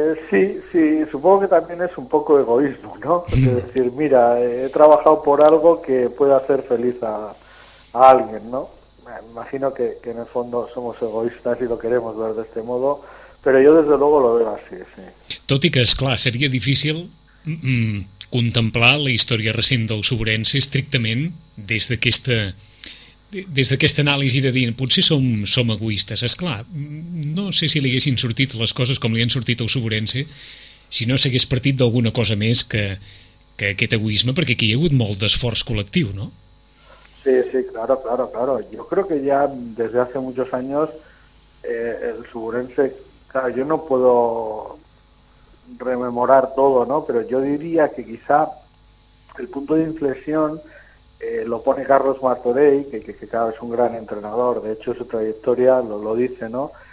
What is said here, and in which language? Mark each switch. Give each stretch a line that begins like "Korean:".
Spanish: Sí, supongo que también es un poco egoísmo, ¿no? Es decir, mira, he trabajado por algo que pueda hacer feliz a alguien, ¿no? Me imagino que en el fondo somos egoístas y lo queremos ver de este modo, pero yo desde luego lo veo así, sí.
Catalan: Tot i que, esclar, seria difícil contemplar la història recent del Sobrense estrictament des d'aquesta anàlisi de dir potser som egoistes, és clar. No sé si li haguessin sortit les coses com li han sortit al Sobrense si no s'hagués partit d'alguna cosa més que aquest egoisme, perquè aquí hi ha hagut molt d'esforç col·lectiu, no?
Spanish: Sí, claro. Yo creo que ya desde hace muchos años el Sobrense, claro, yo no puedo rememorar todo, ¿no? Pero yo diría que quizá el punto de inflexión lo pone Carlos Martorell, que claro, es un gran entrenador, de hecho su trayectoria lo dice, ¿no?